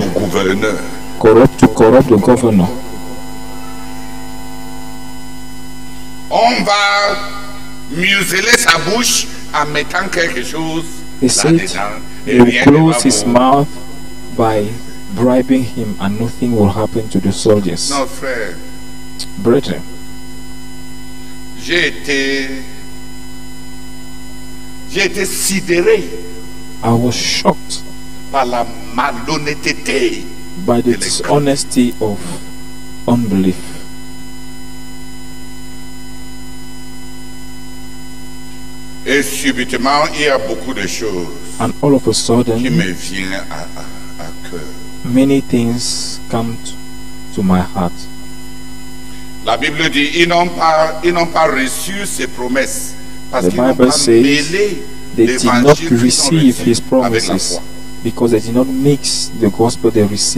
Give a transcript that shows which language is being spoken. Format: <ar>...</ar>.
<en>The pastors who arrange for corruption, corrupt the governor.</en> <fr>On va museler sa bouche en mettant quelque chose.</fr> <en>They said he will close his mouth by bribing him and nothing will happen to the soldiers.</en> <fr>No, frère.</fr> <en>Brethren.</en> <fr>J'ai été sidéré.</fr> <en>I was shocked</en> <fr>par la malhonnêteté.</fr> <en>By the dishonesty of unbelief.</en> <fr>Et Et subitement, il y a beaucoup de choses</fr> <en>and all of a sudden,</en> <fr>qui me viennent à cœur.</fr> <en>Many things come to my heart.</en> <fr>La Bible dit, ils n'ont pas reçu ses promesses parce qu'ils n'ont pas mêlé l'évangile qu'ils ont reçu</fr> <en>his promises</en> <fr>avec la foi.</fr> <en>Because they did not mix the gospel they received.</en>